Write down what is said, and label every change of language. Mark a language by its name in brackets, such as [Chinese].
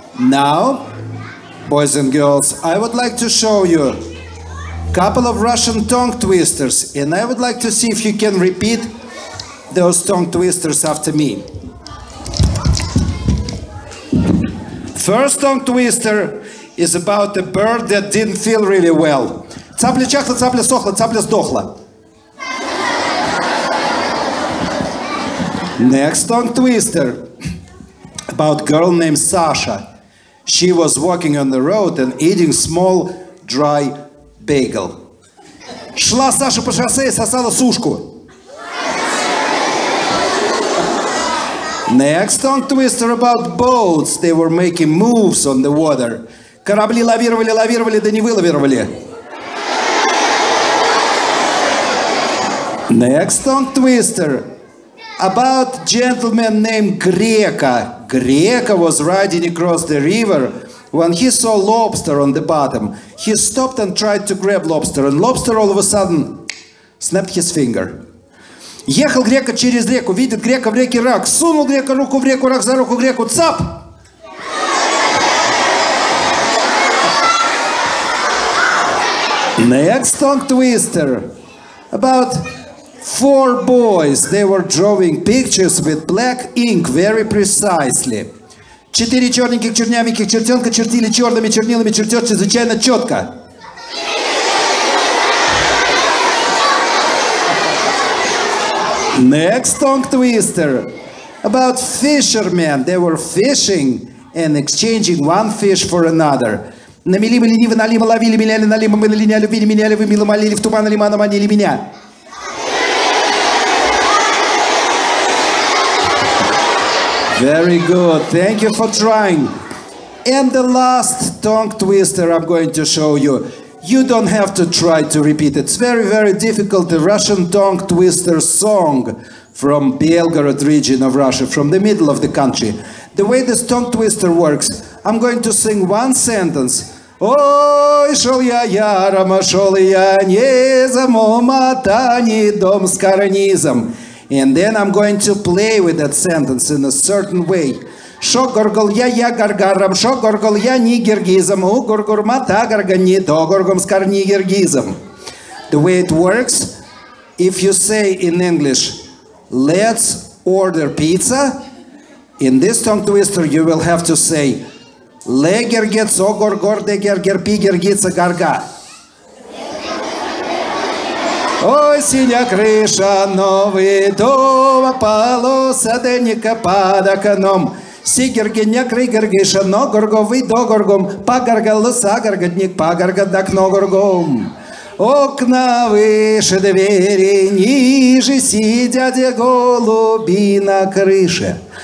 [English] Now, boys and girls, I would like to show you a couple of Russian tongue twisters, and I would like to see if you can repeat those tongue twisters after me. First tongue twister is about a bird that didn't feel really well. [Russian] Цапля чахла, цапля сохла, цапля здохла. [English] Next tongue twister about a girl named Sasha. She was walking on the road and eating small, dry bagel. [Russian] Шла Саша по шоссе и сосала сушку. [English] Next tongue twister about boats. They were making moves on the water. [Russian] Корабли лавировали, лавировали, да не вылавировали. [English] Next tongue twister about a gentleman named Greka. Greka was riding across the river when he saw lobster on the bottom. He stopped and tried to grab lobster, and lobster all of a sudden snapped his finger. [Russian] Ехал Грека через реку, видит Грека в реке рак. Сунул Грека руку в реку, рак за руку Греку, цап! [English] Next tongue twister about four boys, they were drawing pictures with black ink very precisely. [Russian] Четыре черненьких чернявеньких чертенка чертили черными чернилами чертеж чрезвычайно четко. [English] Next tongue twister about fishermen, they were fishing and exchanging one fish for another. [Russian] Намели мы лениво, налимо ловили, меняли налимо, мы налиняли, любили, меняли, вы мило молили, в туман лимана манили меня. [English] Very good. Thank you for trying. And the last tongue twister I'm going to show you. You don't have to try to repeat. It's very, very difficult. The Russian tongue twister song from Belgorod region of Russia, from the middle of the country. The way this tongue twister works, I'm going to sing one sentence. [Russian] Ой, шел я яром, а шел я низом, у мотани дом с карнизом. [English] And then I'm going to play with that sentence in a certain way. [Russian] Шо горгол я гаргаром, шо горгол я не гиргизом, у горгур мата гаргани, до горгом с карни гиргизом. [English] The way it works, if you say in English, let's order pizza, in this tongue twister you will have to say, Le gergets ogor gorde gerger pigergitsa garga. [Russian] Ой, синя крыша, новый дом, полоса денника под окном. Сигергиня крыгергиша, но горговый до горгом, погаргалоса горгодник, погаргадак но горгом. Окна выше, двери ниже, сидят голуби на крыше.